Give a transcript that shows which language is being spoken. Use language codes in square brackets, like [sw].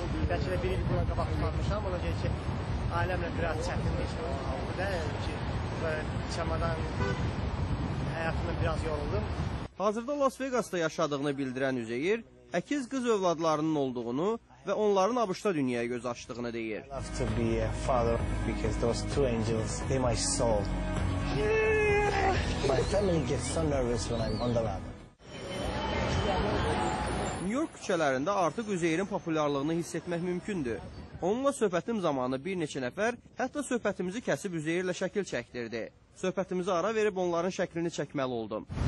[az] Bəlkə də bir il buna qabaq tutmamışam. Ona görə ki, ailəmlə biraz çətindir. Ondan ki, çamadan həyatımda biraz yoruldum. Hazırda Las Vegas'da yaşadığını bildirən Üzeyir, əkiz qız övladlarının olduğunu və onların ABŞ-da dünyaya göz açdığını deyir. [en] I love to be a father because those two angels, they my soul. My family gets so nervous when I'm on the road. [az] New York küçələrində artıq Üzeyirin populyarlığını hiss etmək mümkündür. Onunla söhbətim zamanı bir neçə nəfər hətta söhbətimizi kəsib Üzeyirlə şəkil çəkdirdi. Söhbətimizi ara verib onların şəklini çəkməli oldum.